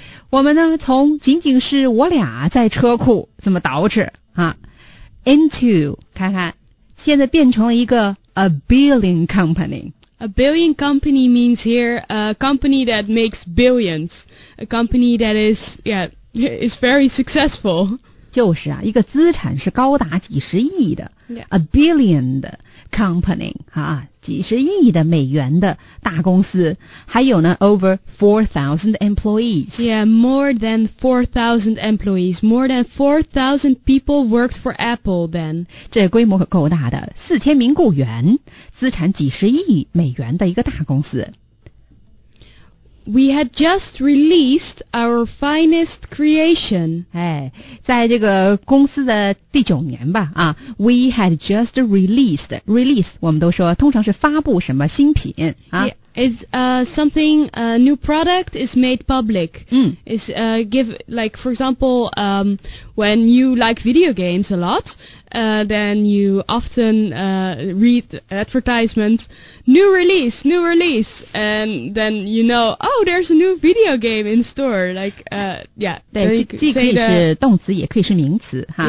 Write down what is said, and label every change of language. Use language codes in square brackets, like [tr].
[zh] 我们呢从仅仅是我俩在车库这么倒置啊 into, 看看现在变成了一个 [en] a billion company. A billion company means here a company that makes billions. A company that is, yeah, is very successful. [zh] 就是啊一个资产是高达几十亿的、 [en] yeah. [zh] a billion 的 company, 啊几十亿的美元的大公司还有呢 [en] over 4,000 employees Yeah, more than 4,000 employees More than 4,000 people worked for Apple then [zh] 这规模可够大的四千名雇员资产几十亿美元的一个大公司 [en] We had just released our finest creation [zh] 哎，在这个公司的第九年吧啊 [en] We had just released [zh] Release 我们都说通常是发布什么新品啊 [en] yeah, It's something a new product is made public、嗯、 It's give like for example When you like video games a lot Then you often read advertisements New release And then you know Oh there's a new video game in store Like yeah [zh] 对既可以是动词也可以是名词哈、